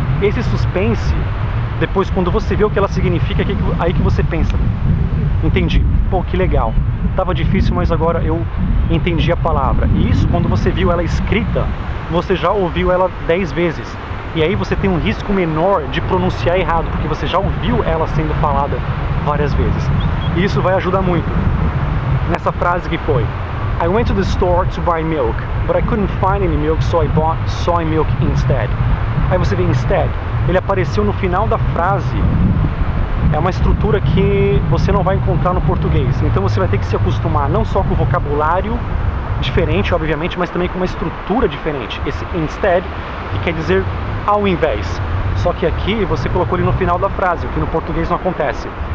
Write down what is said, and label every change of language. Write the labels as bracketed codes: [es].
[pt] Esse suspense, depois quando você vê o que ela significa, aí que você pensa, entendi, pô, que legal. Tava difícil, mas agora eu entendi a palavra. E isso, quando você viu ela escrita, você já ouviu ela 10 vezes. E aí você tem um risco menor de pronunciar errado, porque você já ouviu ela sendo falada várias vezes. E isso vai ajudar muito. Nessa frase que foi, [en] I went to the store to buy milk, but I couldn't find any milk, so I bought soy milk instead. [pt] Aí você vê instead, ele apareceu no final da frase. É uma estrutura que você não vai encontrar no português. Então você vai ter que se acostumar não só com o vocabulário diferente, obviamente, mas também com uma estrutura diferente. Esse instead, que quer dizer ao invés. Só que aqui você colocou ele no final da frase, o que no português não acontece.